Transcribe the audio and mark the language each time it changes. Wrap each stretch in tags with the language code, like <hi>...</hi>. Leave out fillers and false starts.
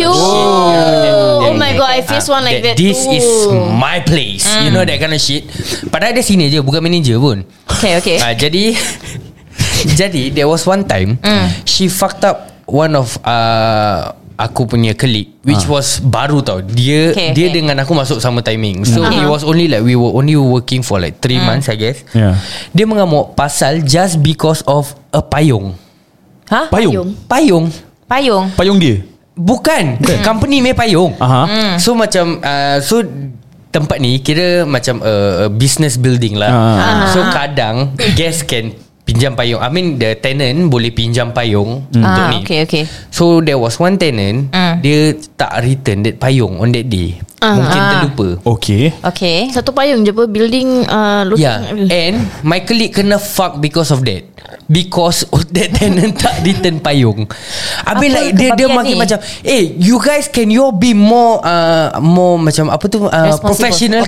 <en>Oh my god, I face one like that. This is my place. You know that kind of shit.</en> <ms>Padahal dia sini je, bukan manager pun.</ms> <en>Okay. Jadi there was one time she fucked up one of</en> <ms>aku punya</ms> <en>colleague, which was</en> <ms>baru tau. Dia dengan aku masuk sama timing.</ms> <en>So it was only like, we were only working for like 3 months, I guess. Yeah.</en> <ms>Dia mengamuk pasal</ms> <en>just because of a</en> <ms>payung. Huh? Payung dia? Bukan. Okay. Company punya payung. So macam so tempat ni kira macam business building lah. So kadang guest can pinjam payung.</ms> <en>I mean the tenant</en> <ms>boleh pinjam payung untuk ni. Okay.</ms> <en>So there was one tenant,</en> <ms>dia tak</ms> <en>return that payung on that day.</en> <ms>Mungkin terlupa. Okay. Satu payung je apa building</ms> <en>looking. Yeah. And my colleague kena fuck because of that. Because that tenant</en> <ms>tak return payung. Habis</ms> <en>like dia makin ni macam, "Eh, you guys, can you be more more macam apa tu professional?</en>